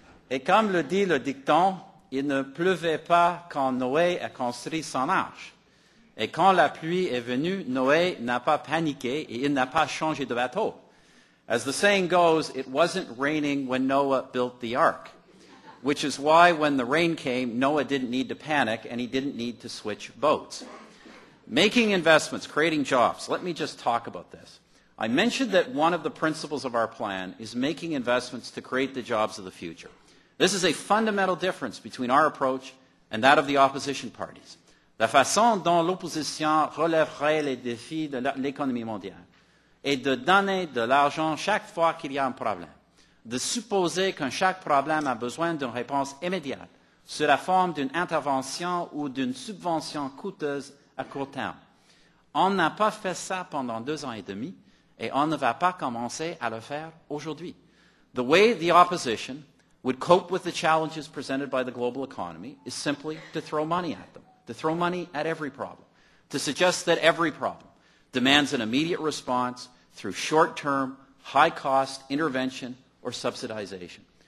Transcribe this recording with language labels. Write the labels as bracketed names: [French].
[French] Et comme le dit le dicton, il ne pleuvait pas quand Noé a construit son arche. Et quand la pluie est venue, Noé n'a pas paniqué et il n'a pas changé de bateau. [English] As the saying goes, it wasn't raining when Noah built the ark, which is why when the rain came, Noah didn't need to panic and he didn't need to switch boats. Making investments, creating jobs. Let me just talk about this. I mentioned that one of the principles of our plan is making investments to create the jobs of the future. This is a fundamental difference between our approach and that of the opposition parties. [French] La façon dont l'opposition relèverait les défis de l'économie mondiale est de donner de l'argent chaque fois qu'il y a un problème. De supposer qu'un chaque problème a besoin d'une réponse immédiate sous la forme d'une intervention ou d'une subvention coûteuse à court terme. On n'a pas fait ça pendant 2 ans et demi et on ne va pas commencer à le faire aujourd'hui. [English] The way the opposition would cope with the challenges presented by the global economy is simply to throw money at them, to throw money at every problem, to suggest that every problem demands an immediate response through short-term, high-cost intervention or subsidization.